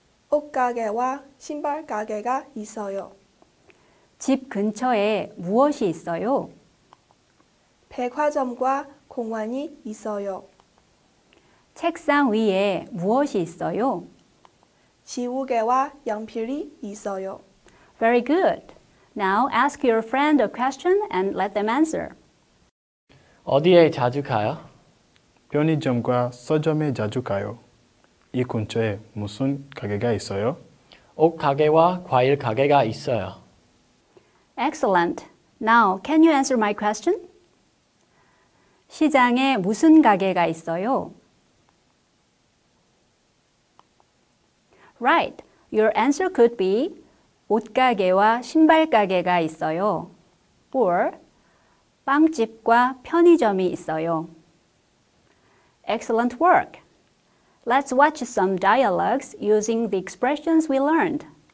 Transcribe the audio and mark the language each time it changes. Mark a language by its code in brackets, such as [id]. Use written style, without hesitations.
[ko] 옷가게와 신발가게가 있어요. 집 근처에 무엇이 있어요? 백화점과 공원이 있어요. 책상 위에 무엇이 있어요? 지우개와 연필이 있어요. [en] Very good. Now ask your friend a question and let them answer. [ko] 어디에 자주 가요? 편의점과 서점에 자주 가요. 이 근처에 무슨 가게가 있어요? 옷 가게와 과일 가게가 있어요. [en] Excellent. Now, can you answer my question? [ko] 시장에 무슨 가게가 있어요? [en] Right. Your answer could be [ko] 옷가게와 신발가게가 있어요. [en] Or [ko] 빵집과 편의점이 있어요. [en] Excellent work. Let's watch some dialogues using the expressions we learned.